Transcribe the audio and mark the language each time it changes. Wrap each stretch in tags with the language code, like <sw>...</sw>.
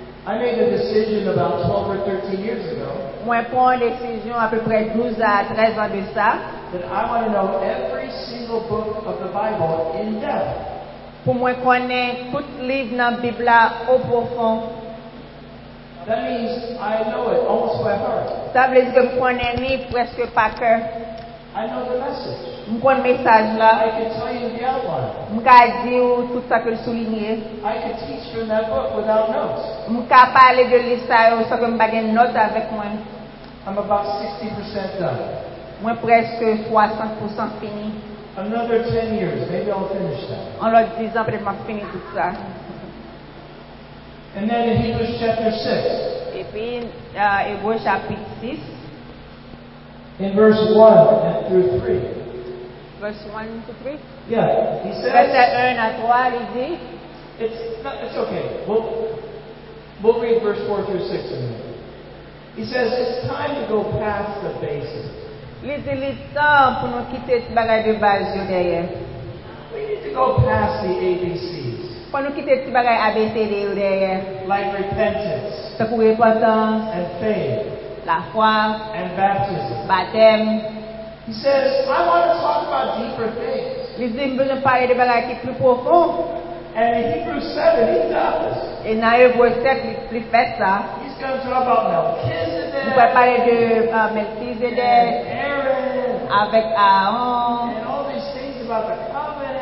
<en>I made a decision about 12 or 13 years ago.</en> <fr>Moi, prends une décision à peu près 12 à 13 ans de ça.</fr> <en>That I want to know every single book of the Bible in depth.</en> <fr>Pour moi, connaître tout livre dans la Bible là, au profond.</fr> <en>That means I know it almost by heart.</en> <fr>Ça veut dire que je connais ni presque par cœur.</fr> <en>I know the message.</en> <fr>Je connais le message là.</fr> <en>I can tell you the outline.</en> <fr>Je peux dire tout ce que je souligne.</fr> <en>I can teach from that book without notes.</en> <fr>Je peux parler de l'histoire sans que je n'ai pas de notes avec moi.</fr> <en>I'm about 60% done.</en> <fr>Moi presque 60% fini.</fr> <en>Another 10 years, maybe I'll finish that.</en> <fr>En l'autre 10 ans, peut-être que je vais finir tout ça.</fr> <en>And then in Hebrews chapter 6.</en> <fr>Et puis, Hébreux chapitre 6.</fr> <en>In verse 1 and through 3. Verse 1 to 3? Yeah, he says, it's okay. We'll read verse 4 through 6 in a minute. He says, it's time to go past the basics.</en> <fr>Lisez-le temps pour nous quitter ce bagage de base.</fr> <en>We need to go past the ABCs.</en> <fr>Pour nous quitter ce bagage ABCD.</fr> <en>Like repentance.</en> <fr>C'est pour repentance.</fr> <en>And faith.</en> <fr>La foi.</fr> <en>And baptism.</en> <fr>Baptême.</fr> <en>He says, I want to talk about deeper things.</en> <fr>Il dit, je veux parler de bagages qui sont plus profonds.</fr> <en>And in Hebrews 7, he does.</en> <fr>Et dans Hebrews 7, il fait ça.</fr> <en>He's going to talk about Melchizedek.</en> <fr>Il va parler de Melchizedek.</fr> <en>And Aaron.</en> <fr>Avec Aaron.</fr> <en>And all these things about the covenant.</en>